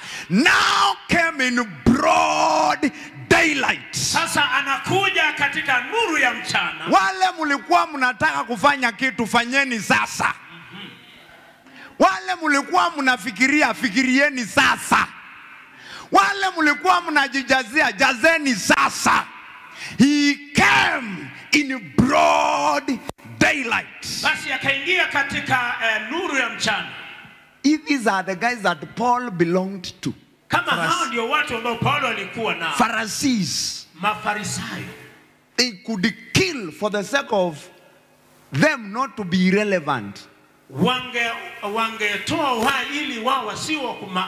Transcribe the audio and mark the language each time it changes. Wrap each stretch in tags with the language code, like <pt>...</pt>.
<en>Now came in broad daylight.</en> <sw>Sasa anakuja katika nuru ya mchana. Wale mulikuwa mnataka kufanya kitu, fanyeni sasa. Wale mulikuwa mnafikiria, fikirieni sasa. Wale mulikuwa mnajijazia, jazeni sasa.</sw> <en>He came in broad daylight.</en> <sw>Basi akaingia katika nuru ya mchana.</sw> <en>These are the guys that Paul belonged to.</en> <sw>Kama hao ndio watu ambao Paul alikuwa nao.</sw> <en>Pharisees.</en> <sw>Mafarisayo.</sw> <en>They could kill for the sake of them not to be irrelevant.</en> <sw>Wange toa uhai ili wao wasiwe kuma.</sw>